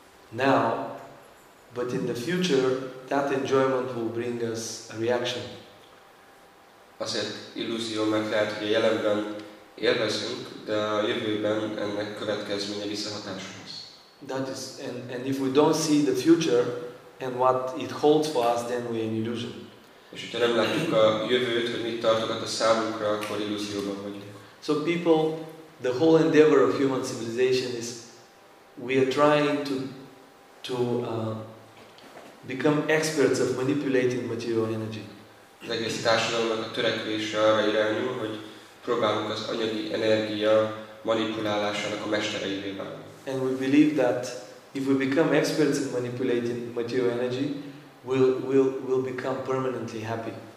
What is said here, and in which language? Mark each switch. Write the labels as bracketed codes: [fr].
[en] now, but in the future, that enjoyment will bring us a reaction. [hu] Azért illúzió, mert lehet, hogy a jelenben élvezünk, de a jövőben ennek következménye visszahatása lesz. [en] That is, and if we don't see the future and what it holds for us, then we're in illusion. [hu] És hogyha nem látjuk a jövőt, hogy mit tartogat a számunkra, akkor illúzióban vagyunk. [en] So people, the whole endeavor of human civilization is we are trying to become experts of manipulating material energy. [hu] Az egész társadalomnak a törekvése arra irányul, hogy próbálunk az anyagi energia manipulálásának a mestereivé válni. [en] And we believe that if we become experts in manipulating material energy, we'll become permanently happy.